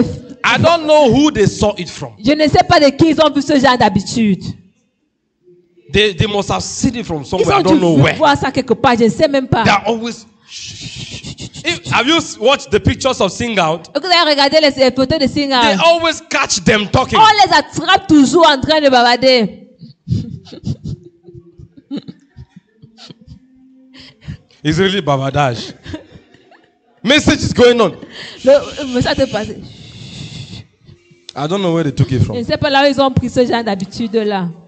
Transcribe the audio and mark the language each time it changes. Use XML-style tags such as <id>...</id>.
<en>I don't know who they saw it from.</en> <fr>Je ne sais pas de qui ils ont vu ce genre d'habitude.</fr> <en>They must have seen it from somewhere. I don't know where.</en> <fr>Ils ont dû voir ça quelque part. Je ne sais même pas.</fr> <en>They are always. Have you watched the pictures of Sing Out?</en> <fr>Vous avez regardé les photos de Sing Out?</fr> <en>They always catch them talking.</en> <fr>On les attrape toujours en train de bavarder.</fr> <en>It's really bavardage. Message is going on. I don't know where they took it from.</en> <fr>Je ne sais pas là où ils ont pris ce genre d'habitude là.</fr>